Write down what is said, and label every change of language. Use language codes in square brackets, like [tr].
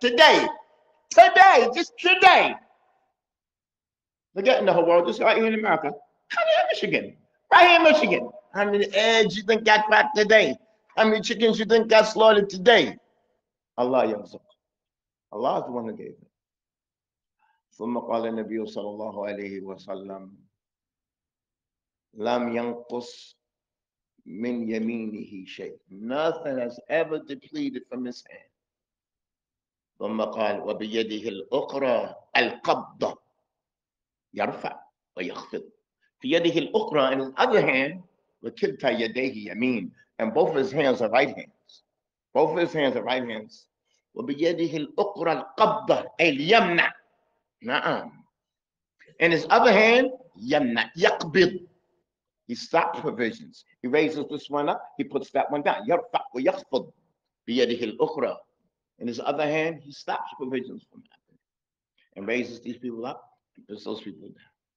[en] Today! Today! Just today! Forget in the whole world, just right here in America. Come here in Michigan. Right here in Michigan. How many eggs you think got cracked today? How many chickens you think got slaughtered today? Allah [ar] يرزق. [en] Allah is the one who gave it. [ar] ثم قال النبي صلى الله عليه وسلم لم ينقص من يمينه شيء. [en] Nothing has ever depleted from his hand. [ar] ثم قال وبيده الأخرى القبضة يرفع ويخفض. في يده الأخرى [en] in his other hand [ar] وكلتا يديه يمين [en] and both his hands are right hands. Both his hands are right hands. [ar] وبيده الأخرى القبضة أي اليمنى. نعم. [en] In his other hand [ar] يمنى يقبض. [en] He stops provisions. He raises this one up. He puts that one down. [ar] يرفع ويخفض بيده الأخرى. [en] In his other hand, he stops provisions from happening. And raises these people up. And puts those people down.